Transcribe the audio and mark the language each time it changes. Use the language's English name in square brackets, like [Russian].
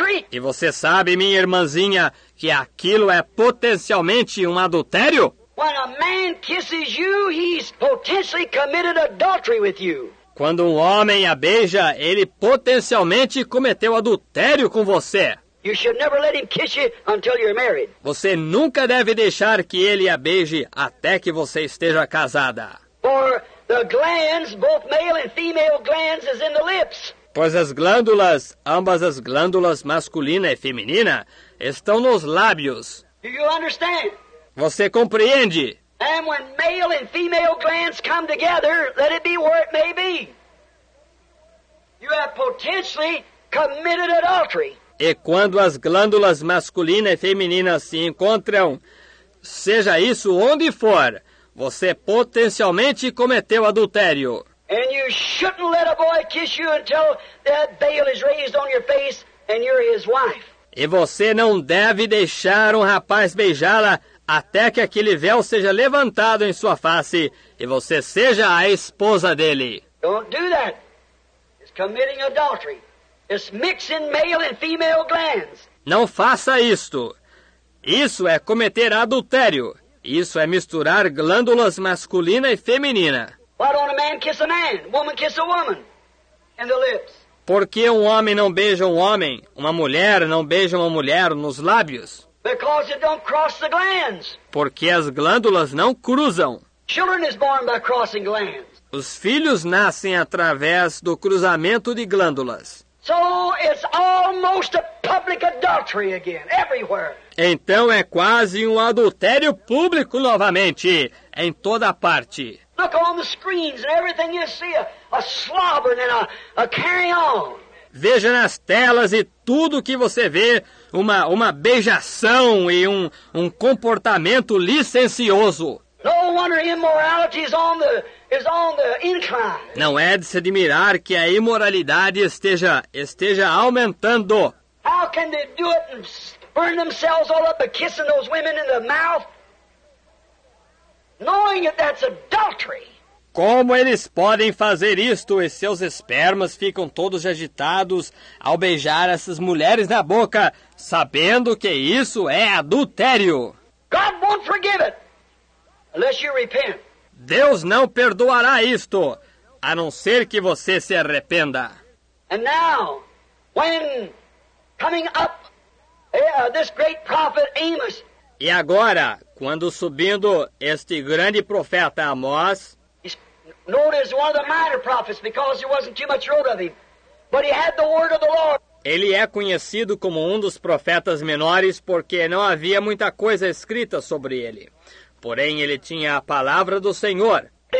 [Portuguese] e você sabe, minha irmãzinha, que aquilo é potencialmente um adultério? [English] When a man kisses you, he's potentially committed adultery with you. [Portuguese] Quando um homem a beija, ele potencialmente cometeu adultério com você. [English] You should never let him kiss you until you're married. [Portuguese] Você nunca deve deixar que ele a beije até que você esteja casada. [English] For the glands, both male and female glands, is in the lips. [Portuguese] Pois as glândulas, ambas as glândulas masculina e feminina, estão nos lábios. [English] Do you understand? [Portuguese] Você compreende? [English] And when male and female glands come together, let it be where it may be. You have potentially committed adultery. [Portuguese] E quando as glândulas masculina e feminina se encontram, seja isso onde for, você potencialmente cometeu adultério. [English] And you shouldn't let a boy kiss you until that veil is raised on your face and you're his wife. [Portuguese] E você não deve deixar um rapaz beijá-la até que aquele véu seja levantado em sua face e você seja a esposa dele. [English] Don't do that. It's committing adultery. It's mixing male and female glands. [Portuguese] Não faça isto. Isso é cometer adultério. Isso é misturar glândulas masculina e feminina. [English] Why don't a man kiss a man? Woman kiss a woman in the lips. [Portuguese] Por que um homem não beija um homem? Uma mulher não beija uma mulher nos lábios? [English] Because it don't cross the glands. [Portuguese] Porque as glândulas não cruzam. [English] Children is born by crossing glands. [Portuguese] Os filhos nascem através do cruzamento de glândulas. [English] So it's almost a public adultery again, everywhere. [Portuguese] Então é quase um adultério público novamente, em toda parte. [English] Look on the screens and everything you see, a slobbering and a carry on. [Portuguese] Veja nas telas e tudo que você vê, uma beijação e um comportamento licencioso. [English] No wonder immorality is on the incline. [Portuguese] Não é de se admirar que a imoralidade esteja aumentando. [English] How can they do it and burn themselves all up by kissing those women in the mouth, knowing that that's adultery? [Portuguese] Como eles podem fazer isto e seus espermas ficam todos agitados ao beijar essas mulheres na boca, sabendo que isso é adultério? [English] God won't forgive it. Unless you repent. [Portuguese] Deus não perdoará isto, a não ser que você se arrependa. [English] And now, when coming up, this great prophet Amos. [Portuguese] E agora, quando subindo este grande profeta Amós, [English] he's known as one of the minor prophets because there wasn't too much road of him, but he had the word of the Lord. [Portuguese] Ele é conhecido como um dos profetas menores porque não havia muita coisa escrita sobre ele. Porém, ele tinha a palavra do Senhor.